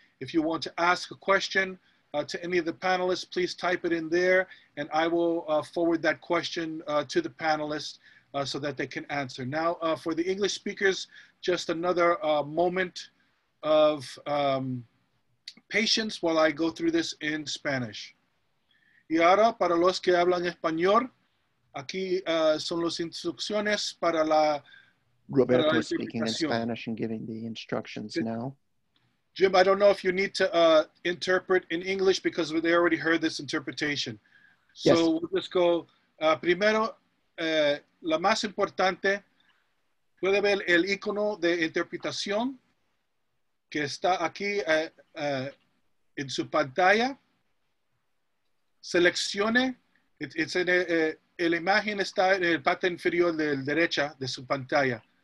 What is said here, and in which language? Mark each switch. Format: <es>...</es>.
<en>If you want to ask a question to any of the panelists, please type it in there and I will forward that question to the panelists so that they can answer. Now, for the English speakers, just another moment of patience while I go through this in Spanish.</en> <es>Y ahora, para los que hablan español, aquí son las instrucciones para la...</es> <en>Roberto is speaking in Spanish and giving the instructions now. Jim, I don't know if you need to interpret in English because they already heard this interpretation. So yes. We'll just go.</en> <es>Primero, la más importante, puede ver el icono de interpretación que está aquí en su pantalla. Seleccione, el imagen está en el parte inferior de la derecha de su pantalla.</es>